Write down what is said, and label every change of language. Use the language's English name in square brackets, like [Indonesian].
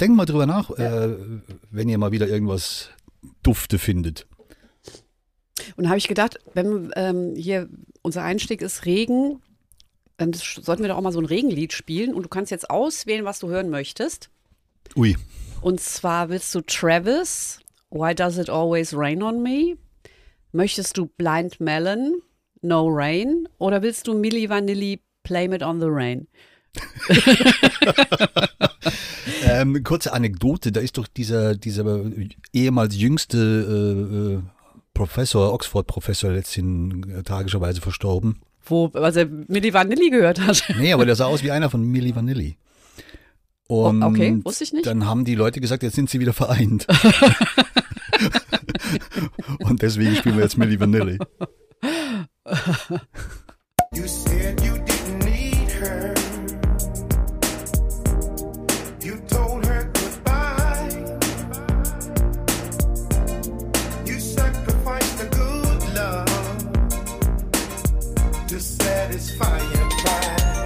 [German] Denkt mal drüber nach, wenn ihr mal wieder irgendwas Dufte findet. Und da habe ich gedacht, wenn hier unser Einstieg ist Regen, dann sollten wir doch auch mal so ein Regenlied spielen. Und du kannst jetzt auswählen, was du hören möchtest. Ui. Und zwar willst du Travis... [English] Why does it always rain on me? [German] Möchtest du Blind Melon, No Rain? Oder willst du Milli Vanilli, Blame It on the Rain? kurze Anekdote, da ist doch dieser ehemals jüngste Professor, Oxford-Professor, letztens tragischerweise verstorben. Wo, also Milli Vanilli gehört hat? Nee, aber der sah aus wie einer von Milli Vanilli. Und okay, wusste ich nicht. Dann haben die Leute gesagt, jetzt sind sie wieder vereint. Und deswegen spielen wir jetzt Milli Vanilli. [English] You said you didn't need her. You told her goodbye. You sacrificed the good love to satisfy your pride.